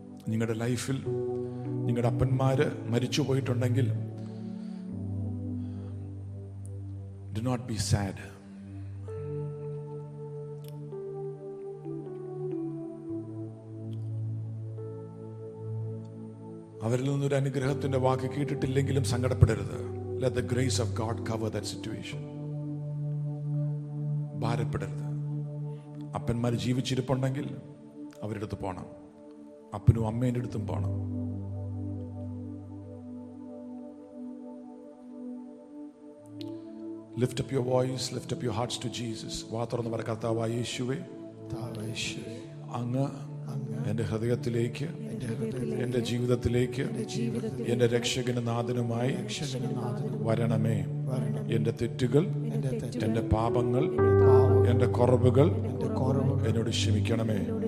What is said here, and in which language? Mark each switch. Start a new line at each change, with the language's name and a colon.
Malayalam: നിങ്ങളുടെ ലൈഫിൽ നിങ്ങളുടെ അപ്പന്മാര് മരിച്ചു പോയിട്ടുണ്ടെങ്കിൽ
English: Do not be sad.
Malayalam: അവരിൽ നിന്ന് ഒരു അനുഗ്രഹത്തിന്റെ വാക്ക് കേട്ടിട്ടില്ലെങ്കിലും സങ്കടപ്പെടരുത്.
English: Let the grace of God cover that situation.
Malayalam: ഭാരപ്പെടരുത്. അപ്പന്മാർ ജീവിച്ചിരിപ്പുണ്ടെങ്കിൽ അവരുടെ അടുത്ത് പോകണം, അപ്പനും അമ്മേന്റെ അടുത്തും പോകണം.
English: Lift up your voice, lift up your hearts to Jesus.
Malayalam: വാതുറന്നു പറ കർത്താവായ യേശുവേ, അങ്ങ് എന്റെ ഹൃദയത്തിലേക്ക്, എന്റെ ജീവിതത്തിലേക്ക് എന്റെ രക്ഷകനും നാഥനുമായി വരണമേ. എന്റെ തെറ്റുകൾ, എന്റെ പാപങ്ങൾ, എന്റെ കുറവുകൾ എന്നോട് ക്ഷമിക്കണമേ.